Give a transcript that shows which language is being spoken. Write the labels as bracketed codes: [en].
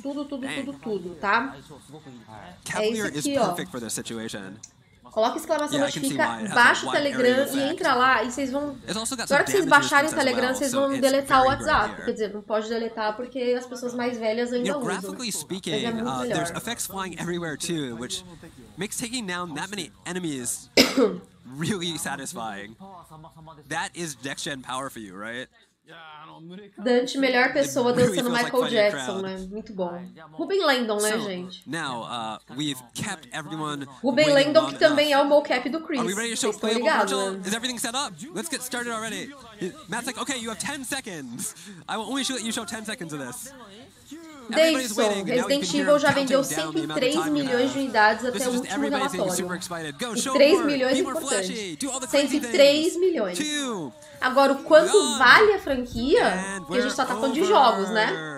[pt] Tudo, tá? É isso aqui, ó. Coloca exclamação notifica, baixa o Telegram e entra lá e vocês vão... Agora que vocês baixarem o Telegram, vocês vão deletar o WhatsApp. Quer dizer, não pode deletar porque as pessoas mais velhas ainda usam. [en] Graphically speaking, there's effects flying everywhere too, which makes taking down that many enemies really satisfying. That is next-gen power for you, right? [pt] Dante, melhor pessoa dançando Michael Jackson, né? Muito bom. Ruben Landon, né, gente? [en] Now, we've kept everyone. [pt] Ruben Landon, que também é o mocap do Chris. [en] Are we ready to show playable, Virgil? Is everything set up? Let's get started already. Matt's like, okay, you have 10 seconds. I will only let you show 10 seconds of this. [pt] Davidson, Resident Evil já vendeu 103 milhões de unidades até o último relatório. 3 milhões é importante. 103 milhões. Agora, o quanto vale a franquia? Porque a gente só tá falando de jogos, né?